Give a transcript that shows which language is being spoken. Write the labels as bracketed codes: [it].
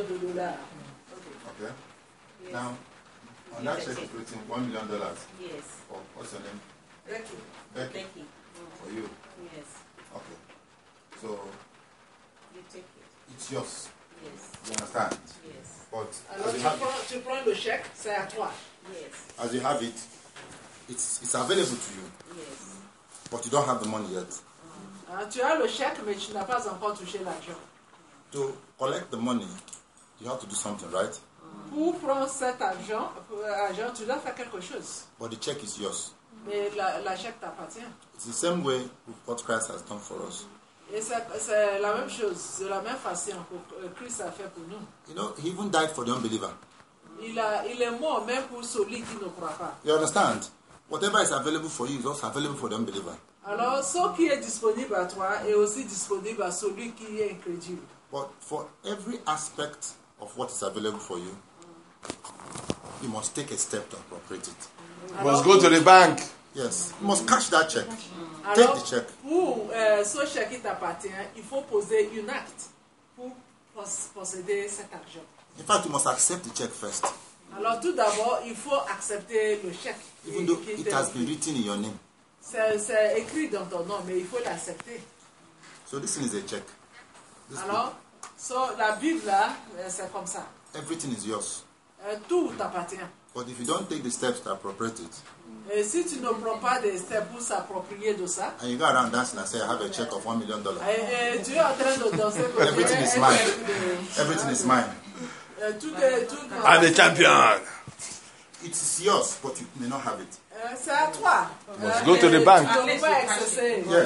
[en] Okay. Yes. Now, on that check is written $1 million. Yes. Oh, what's your name? Becky. For you? Yes. Okay. So, you take it. It's yours. Yes. You understand? Yes. But, [fr] alors, tu prends le chèque, c'est à toi. [en] Yes. As you have it, it's available to you. Yes. But you don't have the money yet. [fr] Tu as le chèque, mais tu n'as pas encore touché l'argent. [en] To collect the money, you have to do something, right? [fr] Pour prendre cet argent, tu dois faire quelque chose. [en] But the check is yours. [fr] Mais la chèque t'appartient. [en] It's the same way with what Christ has done for us. [fr] Et c'est la même chose, c'est la même façon que Christ a fait pour nous. [en] You know, he even died for the unbeliever. [fr] Il est mort même pour celui qui ne croit pas. [en] You understand? Whatever is available for you is also available for the unbeliever. [fr] Alors, ce qui est disponible à toi est aussi disponible à celui qui est incrédule. [en] But for every aspect of what is available for you, you must take a step to appropriate it. You must go to the bank. Yes. You must cash that check. Take the check. [fr] Pour ce check qui t'appartient, il faut poser un acte pour posséder cet argent. [en] In fact, you must accept the check first. [fr] Alors tout d'abord, il faut accepter le check. [en] Even though it has been written in your name. [fr] C'est écrit dans ton nom, mais il faut l'accepter. [en] So this is a check. [fr] This alors, so la Bible là, c'est comme ça. [en] Everything is yours. [fr] Tout t'appartient. [en] But if you don't take the steps to appropriate it, [fr] et si tu ne prends pas des steps pour s'approprier de ça, [en] and you go around dancing and say, I have a check of $1 million. [fr] Tu es en train de danser. [en] Everything is mine. Everything is mine. [fr] Tout est, [en] I'm the champion. It's yours, but you may not have it. You must go to the bank.